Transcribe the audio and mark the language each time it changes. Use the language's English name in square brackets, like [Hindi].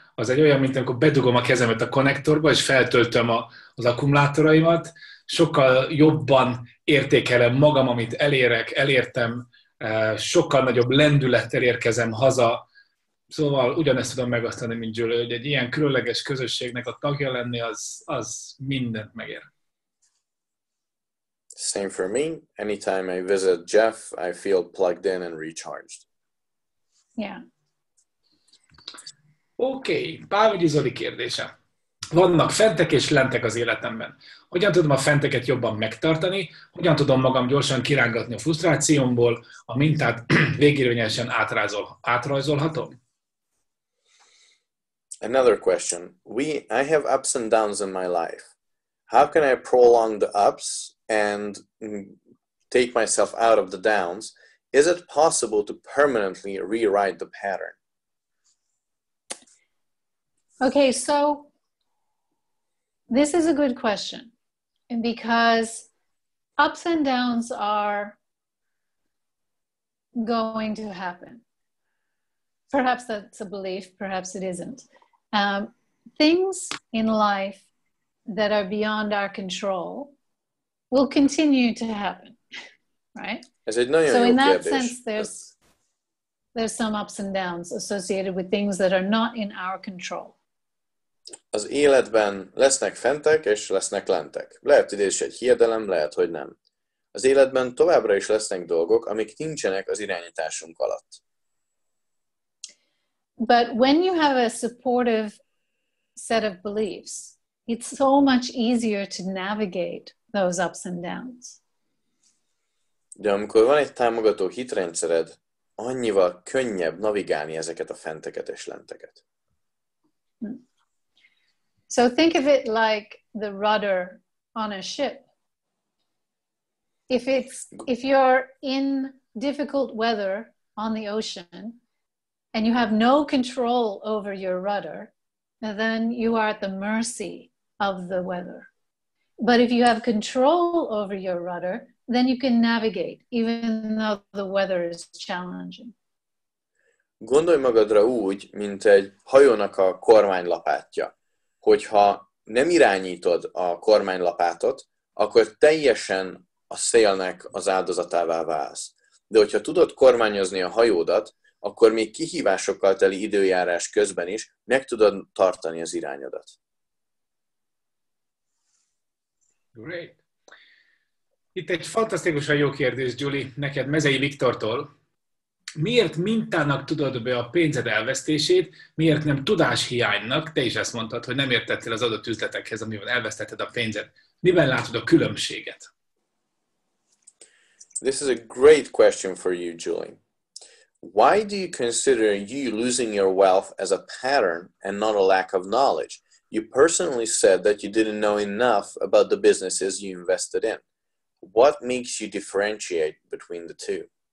[Hungarian] az egy olyan, mint amikor bedugom a kezemet a konnektorba, és feltöltöm az akkumulátoraimat, sokkal jobban értékelem magam, amit elérek, elértem, sokkal nagyobb lendülettel érkezem haza. Szóval ugyanezt tudom megosztani, mint Gyula, hogy egy ilyen különleges közösségnek a tagja lenni, az mindent megér. [English] Same for me. Anytime I visit Jeff, I feel plugged in and recharged. Yeah. [Hungarian] Okay. Pávügyi Zoli kérdése. Vannak fentek és lentek az életemben. Hogyan tudom a fenteket jobban megtartani? Hogyan tudom magam gyorsan kirángatni a frusztrációmból? A mintát végérvényesen átrajzolhatom? [English] Another question. I have ups and downs in my life. How can I prolong the ups and take myself out of the downs? Is it possible to permanently rewrite the pattern? Okay, so this is a good question, because ups and downs are going to happen. Perhaps that's a belief, perhaps it isn't. Things in life that are beyond our control will continue to happen, right? So in that sense, there's some ups and downs associated with things that are not in our control. [Hungarian] Az életben lesznek fentek és lesznek lentek. Lehet idézni egy hiedelem, lehet, hogy nem. Az életben továbbra is lesznek dolgok, amik nincsenek az irányításunk alatt. [English] But when you have a supportive set of beliefs, it's so much easier to navigate those ups and downs. [Hungarian] De amikor van egy támogató hitrendszered, annyival könnyebb navigálni ezeket a fenteket és lenteket. [English] So think of it like the rudder on a ship. If you're in difficult weather on the ocean and you have no control over your rudder, then you are at the mercy of the weather. But if you have control over your rudder, then you can navigate, even though the weather is challenging. [Hungarian] Gondolj magadra úgy, mint egy hajónak a kormánylapátja. Hogyha nem irányítod a kormánylapátot, akkor teljesen a szélnek az áldozatává válsz. De hogyha tudod kormányozni a hajódat, akkor még kihívásokkal teli időjárás közben is meg tudod tartani az irányodat. [English] Great. [Hungarian] Itt egy fantasztikusan jó kérdés, Gyuli, neked Mezei Viktortól. Miért mintának tudod be a pénzed elvesztését, miért nem tudáshiánynak? Te is ezt mondtad, hogy nem értettél az adott üzletekhez, amivel elvesztetted a pénzed. Miben látod a különbséget? [English] This is a great question for you, Julie. Why do you consider you losing your wealth as a pattern and not a lack of knowledge? You personally said that you didn't know enough about the businesses you invested in. What makes you differentiate between the two?